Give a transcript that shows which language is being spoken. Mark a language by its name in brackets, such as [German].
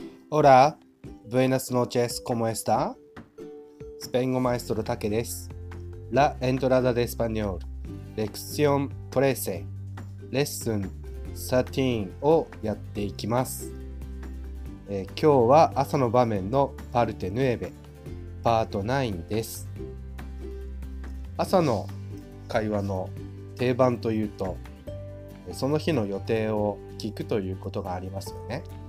[Spanish] Hola, buenas noches, ¿cómo está? [Japanese] スペイン語マエストロタケです。 La entrada de español, lección 13, lesson 13をやっていきます。今日は朝の場面のパルテヌエベ、パート9です。朝の会話の定番というと、その日の予定を聞くということがありますよね。